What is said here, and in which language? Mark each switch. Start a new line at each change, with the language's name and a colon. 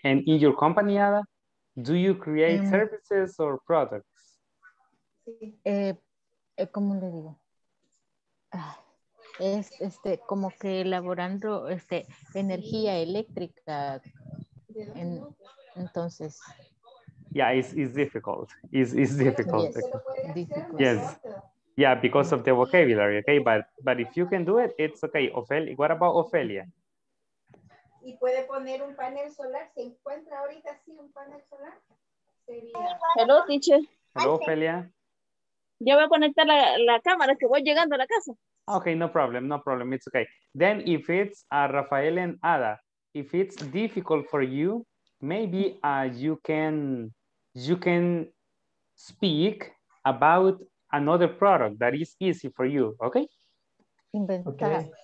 English: And in your company, Ada, do you create services or products?
Spanish: ¿Cómo le digo? Es este como que elaborando este energía eléctrica. Entonces.
English: Yeah, it's difficult. It's difficult. Yes. Difficult. Yes. Yeah, because of the vocabulary, okay? But if you can do it, it's okay. Ophelia, what about Ophelia?
Spanish: ¿Y puede poner un panel solar? ¿Se encuentra ahorita sí un panel solar?
English: Hello, teacher. Hello, Ophelia.
Spanish: Yo voy a conectar la cámara que voy llegando a la casa.
English: Okay, no problem, no problem, it's okay. Then if it's Rafael and Ada, if it's difficult for you, maybe you can speak about another product that is easy for you, okay?
Spanish: Inventar. Okay.